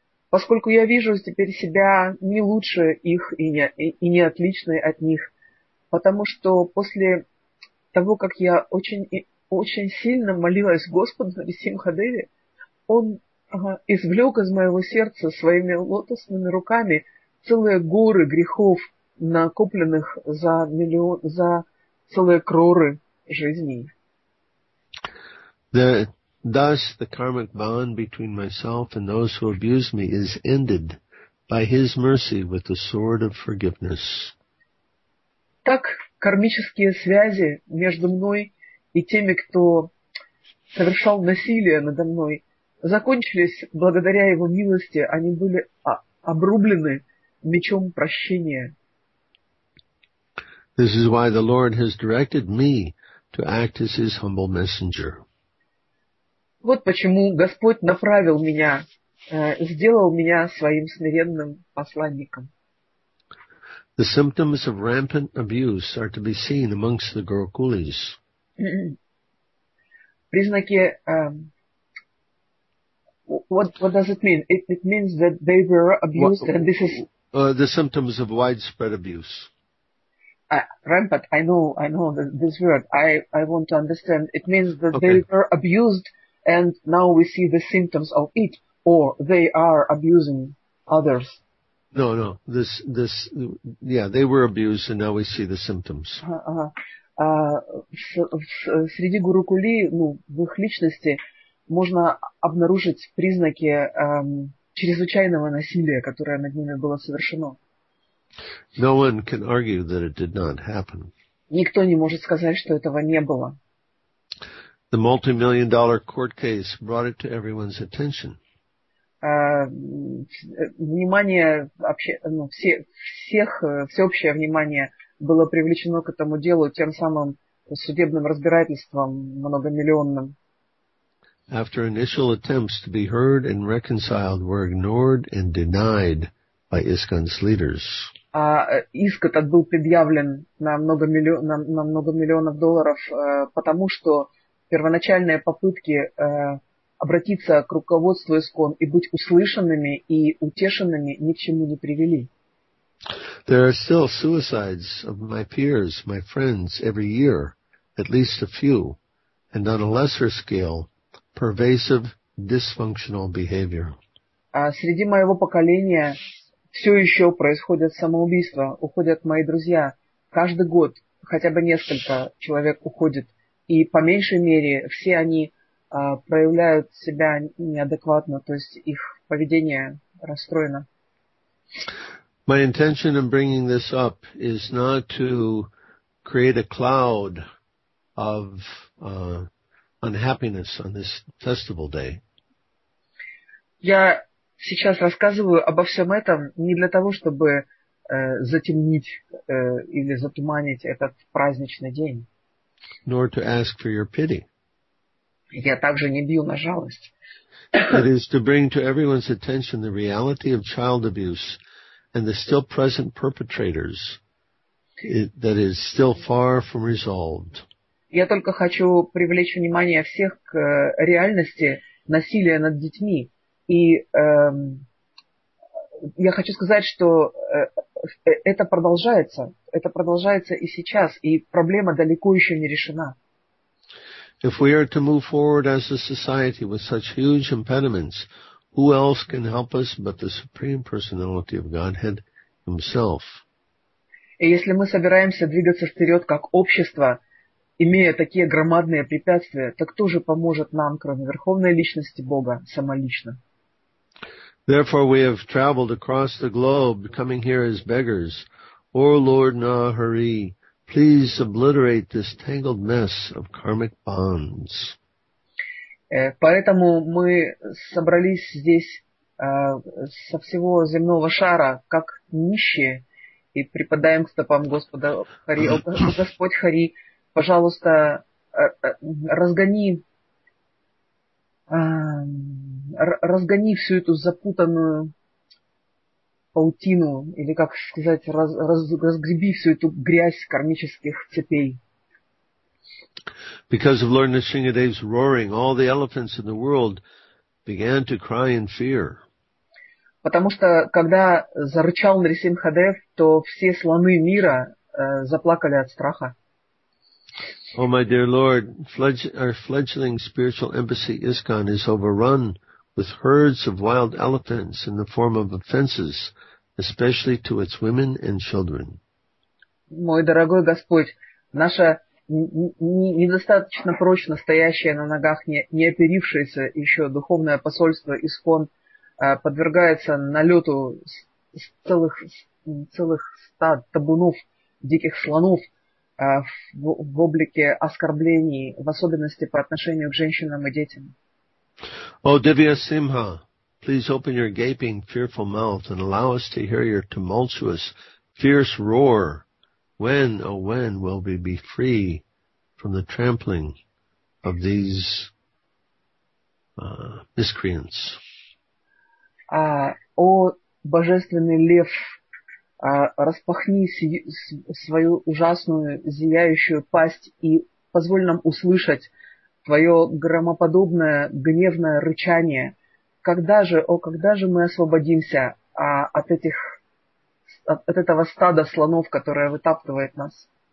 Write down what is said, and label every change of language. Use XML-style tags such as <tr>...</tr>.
<ru>Поскольку я вижу теперь себя не лучше их и не отличной от них, потому что после того, как я очень, очень сильно молилась Господу Нрисимхадеве, он извлек из моего сердца своими лотосными руками целые горы грехов, накопленных за миллион, за целые кроры жизней.</ru> <en>Thus, the karmic bond between myself and those who abuse me is ended by His mercy with the sword of forgiveness.</en> <ru>Так кармические связи между мной и теми, кто совершал насилие надо мной, закончились благодаря Его милости. Они были обрублены мечом прощения.</ru> <en>This is why the Lord has directed me to act as His humble messenger.</en> <ru>Вот почему Господь направил меня, сделал меня своим смиренным посланником.</ru> <en>The symptoms of rampant abuse are to be seen amongst the Gurukulis. Признаки, what does it mean? It means that they were abused and this is... The symptoms of widespread abuse. Rampant, I know this word. I want to understand. It means that okay. They were abused... And now we see the symptoms of it, or they are abusing others. No, this, yeah, they were abused, and now we see the symptoms.</en> <ru>среди гурукули, ну, в их личности, можно обнаружить признаки чрезвычайного насилия, которое над ними было совершено.</ru> <en>No one can argue that it did not happen.</en> <ru>Никто не может сказать, что этого не было.</ru> <en>The multi-million dollar court case brought it to everyone's attention.</en> <ru>Внимание вообще, ну, всеобщее внимание было привлечено к этому делу тем самым судебным разбирательством многомиллионным.</ru> <en>After initial attempts to be heard and reconciled were ignored and denied by ISKCON's leaders.</en> <ru>А иск этот был предъявлен на много миллионов долларов, потому что первоначальные попытки обратиться к руководству ИСКОН и быть услышанными и утешенными ни к чему не привели.</ru> <en>There are still suicides of my peers, my friends, every year, at least a few, and on a lesser scale, pervasive dysfunctional behavior.</en> <ru>А среди моего поколения все еще происходят самоубийства, уходят мои друзья. Каждый год хотя бы несколько человек уходит, и по меньшей мере все они проявляют себя неадекватно, то есть их поведение расстроено.</ru> <en>My intention in bringing this up is not to create a cloud of unhappiness on this festival day.</en> <ru>Я сейчас рассказываю обо всем этом не для того, чтобы затемнить или затуманить этот праздничный день.</ru> <en>Nor to ask for your pity.</en> <ru>Я также не бью на жалость.</ru> <en>It is to bring to everyone's attention the reality of child abuse and the still present perpetrators that is still far from resolved.</en> <ru>Я только хочу привлечь внимание всех к реальности насилия над детьми. И я хочу сказать, что это продолжается и сейчас, и проблема далеко еще не решена.</ru> <en>If we are to move forward as a society with such huge impediments, who else can help us but the Supreme Personality of Godhead Himself?</en> <ru>И если мы собираемся двигаться вперед как общество, имея такие громадные препятствия, то кто же поможет нам, кроме Верховной Личности Бога, самолично?</ru> <en>Therefore we have traveled across the globe, coming here as beggars. O Lord Nahari, please obliterate this tangled mess of karmic bonds.</en> <ru>Поэтому мы собрались здесь со всего земного шара, как нищие, и припадаем к стопам Господа Хари. Господь Хари, пожалуйста, разгони всю эту запутанную паутину, или, как сказать, разгреби всю эту грязь кармических цепей.</ru> <en>Because of Lord Nrisimhadev's roaring, all the elephants in the world began to cry in fear.</en> <ru>Потому что, когда зарычал Нрисимхадев, то все слоны мира заплакали от страха.</ru> <en>Oh, my dear Lord, our fledgling spiritual embassy ISKCON is overrun with herds of wild elephants in the form of offenses, especially to its women and children.</en> <ru>Мой дорогой Господь, наша недостаточно прочно стоящая на ногах, не оперившееся еще духовное посольство ИСКОН подвергается налету целых стад табунов диких слонов в облике оскорблений, в особенности по отношению к женщинам и детям.</ru> <en>О, Дивья Симха, please open your gaping, fearful mouth and allow us to hear your tumultuous, fierce roar. When, oh when, will we be free from the trampling of these miscreants?</en> <ru>О, божественный лев, распахни свою ужасную зияющую пасть и позволь нам услышать твое громоподобное гневное рычание. Когда же, о, когда же мы освободимся от этого стада слонов, которое вытаптывает нас?</ru>